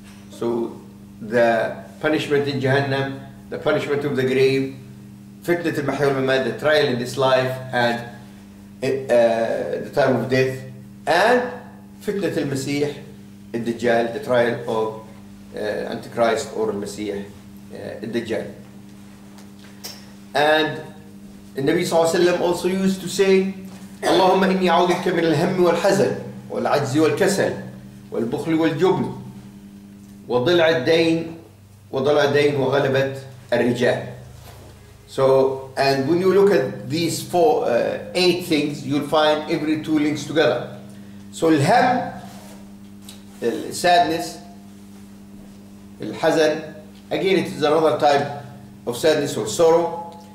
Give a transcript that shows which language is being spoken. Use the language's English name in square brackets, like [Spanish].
[English] so the punishment in jahannam, the punishment of the grave, [Arabic] fitnat al-mahya wal-mamat, [English] the trial in this life, and the time of death, and fitnat al-masih, al-dajjal, the trial of Antichrist or Messiah, Dajjal. And the Nabi صلى الله عليه وسلم also used to say, [Arabic] Allahumma inni a'udhu bika min al-hammi wal-hazan wal-ajzi wal-kasal والبخل والجبن وضلع الدين وضلع الدين وغلبة الرجال. [English] So, and when you look at these four, eight things, you'll find every two links together. So, الهم, sadness, الحزن, again, it is another type of sadness or sorrow.